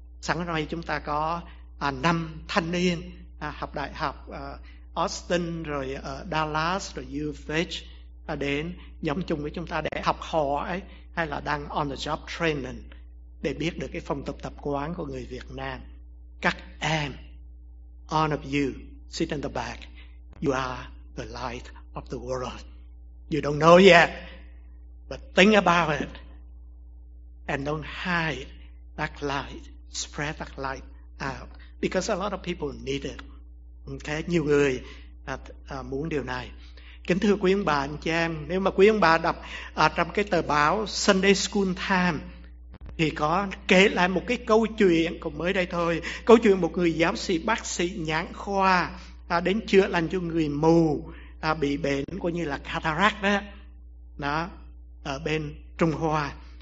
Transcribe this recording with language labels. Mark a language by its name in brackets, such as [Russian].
[Vietnamese] Sáng nay chúng ta có 5 thanh niên học đại học Austin, rồi ở Dallas, rồi UFH đến nhóm chung với chúng ta để học hỏi, hay là đang [English] on the job training [Vietnamese] để biết được cái phong tục tập quán của người Việt Nam. Các em, [English] all of you sit in the back, you are the light of the world. You don't know yet, but think about it and don't hide that light, spread that light out, because a lot of people need it. [Vietnamese] Okay, nhiều người muốn điều này. Kính thưa quý ông bà, anh chị em, nếu mà quý ông bà đọc trong cái tờ báo Sunday School Time thì có kể lại một cái câu chuyện cũng mới đây thôi, câu chuyện một người giáo sĩ bác sĩ nhãn khoa đến chữa lành cho người mù bị bệnh coi như là cataract đó, đó ở bên Trung Hoa.